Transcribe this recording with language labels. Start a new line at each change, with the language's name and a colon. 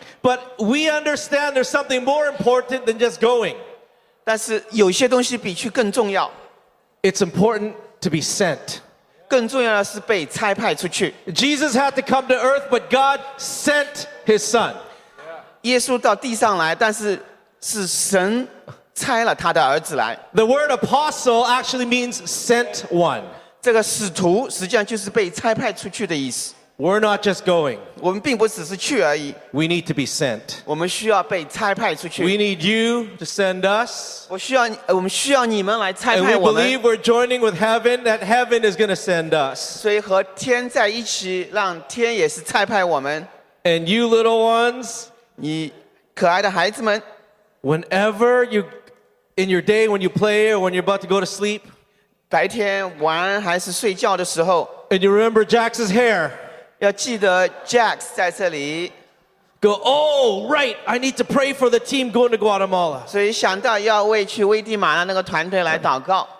English: But we understand there's something more important than just going.
Chinese: 但是有些东西比去更重要。
English: It's important to be sent.
Chinese: 更重要的是被差派出去。
English: Jesus had to come to earth, but God sent his son.
Chinese: 耶稣到地上来，但是
English: The word apostle actually means sent one.
Chinese: 这个使徒实际上就是被差派出去的意思。
English: We're not just going.
Chinese: 我们并不只是去而已。
English: We need to be sent.
Chinese: 我们需要被差派出去。
English: We need you to send us.
Chinese: 我们需要你们来差派我们。
English: And we believe we're joining with heaven, that heaven is going to send us.
Chinese: 所以和天在一起, 让天也是差派我们。
English: And you little ones,
Chinese: 你可爱的孩子们,
English: whenever you, in your day when you play or when you're about to go to sleep,
Chinese: 白天玩还是睡觉的时候,
English: and you remember Jax's hair,
Chinese: 要记得Jax在这里,
English: go, oh, right, I need to pray for the team going to Guatemala.
Chinese: 所以想到要为去危地马拉那个团队来祷告。